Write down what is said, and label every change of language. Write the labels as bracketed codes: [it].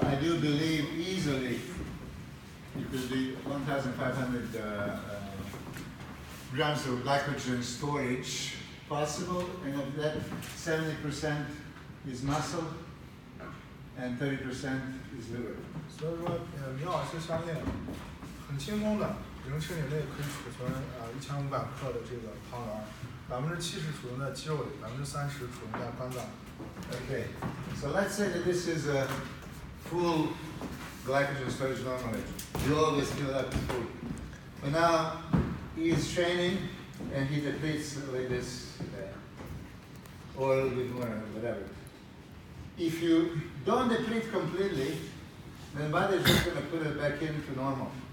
[en] I do believe easily it could be 1,500 grams of glycogen storage possible, and of that, 70% is muscle. And 30% is liver. [zh] 所以说，米老师相信，很轻松的，人体内可以储存1500克的这个糖原，70%储存在肌肉里，30%储存在肝脏。Okay. [en] So let's say that this is a full glycogen storage normally. You always fill up full. But now he is training and he depletes like this oil with more, whatever. If you don't deplete completely, then body is just going to put it back into normal.